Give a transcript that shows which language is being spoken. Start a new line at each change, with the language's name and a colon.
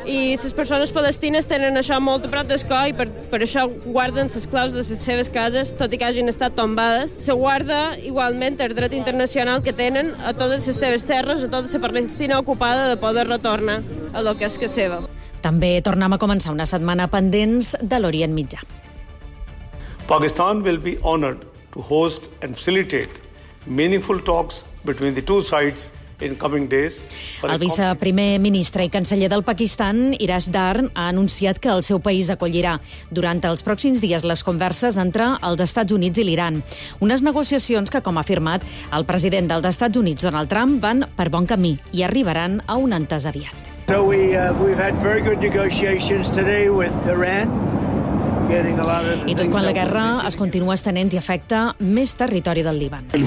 Catalan: I les persones palestines tenen això molt a prop del cor i per això guarden les claus de les seves cases, tot i que hagin estat tombades. Se guarda igualment el dret internacional que tenen a totes les seves terres, a tota la Palestina ocupada, de poder retornar a lo que és que seva. També tornem a començar una setmana pendents de l'Orient Mitjà.
English: Pakistan will be honored to host and facilitate meaningful talks between the two sides in coming days.
Catalan: El viceprimer ministre i canceller del Pakistan, Iraj Darn, ha anunciat que el seu país acollirà durant els pròxims dies les converses entre els Estats Units i l'Iran. Unes negociacions que, com ha afirmat el president dels Estats Units, Donald Trump, van per bon camí i arribaran a un entès aviat.
English: So we've had very good negotiations today with Iran.
Catalan: I tot quan la guerra es continua estenent i afecta més territori del Líban.